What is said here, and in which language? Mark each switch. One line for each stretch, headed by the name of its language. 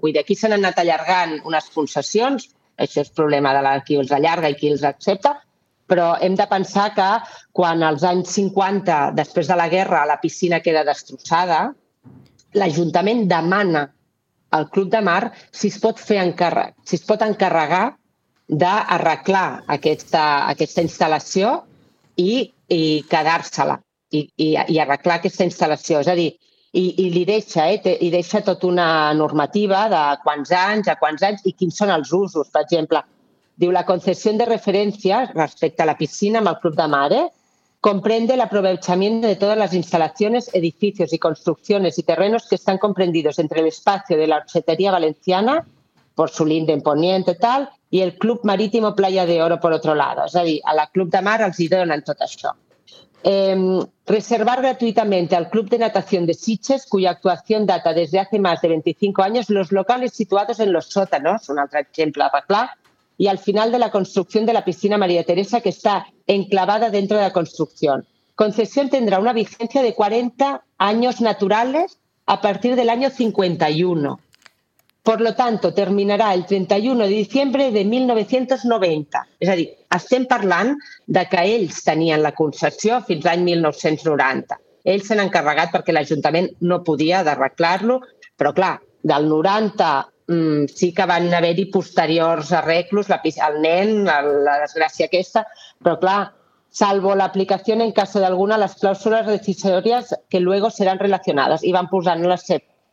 Catalan: Vull dir, aquí s'han anat allargant unes concessions, això és problema de qui els allarga i qui els accepta, però hem de pensar que quan als anys 50, després de la guerra, la piscina queda destrossada, l'Ajuntament demana al Club de Mar si es pot encarregar d'arreglar aquesta instal·lació i quedar-se-la i arreglar aquesta instal·lació. És a dir, i li deixa, i deixa tota una normativa de quants anys a quants anys i quins són els usos. Per exemple, diu la concessió de referència respecte a la piscina amb el Club de Mar
Spanish: comprende el aprovechamiento de todas las instalaciones, edificios y construcciones y terrenos que están comprendidos entre el espacio de la Orxetería Valenciana por su linde en Poniente tal, y el Club Marítimo Playa de Oro por otro lado.
Catalan: És a dir, a la Club de Mar els hi donen tot això.
Spanish: Reservar gratuitamente al Club de Natación de Sitges, cuya actuación data desde hace más de 25 años, los locales situados en los sótanos,
Catalan: un altre exemple, clar,
Spanish: y al final de la construcción de la piscina María Teresa, que está enclavada dentro de la construcción. Concesión tendrá una vigencia de 40 años naturales a partir del año 51. Por lo tanto, terminarà el 31 de diciembre de 1990.
Catalan: És a dir, estem parlant de que ells tenien la concessió fins l'any 1990. Ells s'han encarregat perquè l'Ajuntament no podia d'arreglar-lo, però clar, del 90 sí que van haver-hi posteriors arreglos, el nen, la desgràcia aquesta, però clar,
Spanish: salvo
Catalan: l'aplicació en cas d'alguna, les clàusules decisòries que
Spanish: luego
Catalan: seran relacionades, i van posant les set.